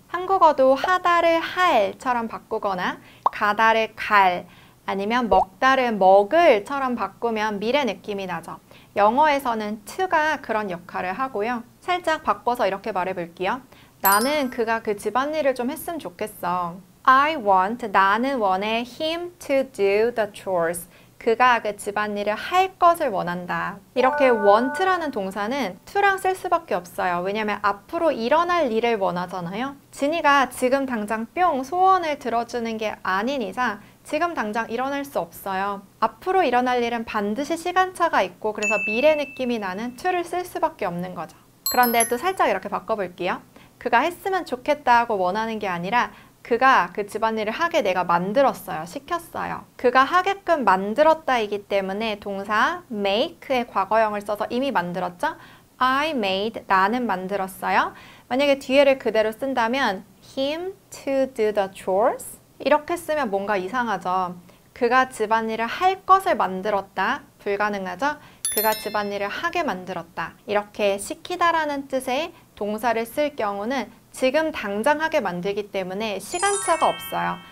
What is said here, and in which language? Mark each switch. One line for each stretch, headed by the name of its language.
Korean: 한국어도 하다를 할처럼 바꾸거나 가다를 갈 아니면 먹다를 먹을처럼 바꾸면 미래 느낌이 나죠. 영어에서는 to가 그런 역할을 하고요. 살짝 바꿔서 이렇게 말해볼게요. 나는 그가 그 집안일을 좀 했으면 좋겠어.
English: I want,
Korean: 나는 원해
English: him to do the chores.
Korean: 그가 그 집안일을 할 것을 원한다. 이렇게 want라는 동사는 to랑 쓸 수밖에 없어요. 왜냐면 앞으로 일어날 일을 원하잖아요. 지니가 지금 당장 뿅 소원을 들어주는 게 아닌 이상 지금 당장 일어날 수 없어요. 앞으로 일어날 일은 반드시 시간차가 있고 그래서 미래 느낌이 나는 to를 쓸 수밖에 없는 거죠. 그런데 또 살짝 이렇게 바꿔볼게요. 그가 했으면 좋겠다고 원하는 게 아니라 그가 그 집안일을 하게 내가 만들었어요. 시켰어요. 그가 하게끔 만들었다이기 때문에 동사 make의 과거형을 써서 이미 만들었죠?
English: I made,
Korean: 나는 만들었어요. 만약에 뒤에를 그대로 쓴다면
English: him to do the chores?
Korean: 이렇게 쓰면 뭔가 이상하죠? 그가 집안일을 할 것을 만들었다. 불가능하죠? 그가 집안일을 하게 만들었다. 이렇게 시키다라는 뜻의 동사를 쓸 경우는 지금 당장 하게 만들기 때문에 시간차가 없어요.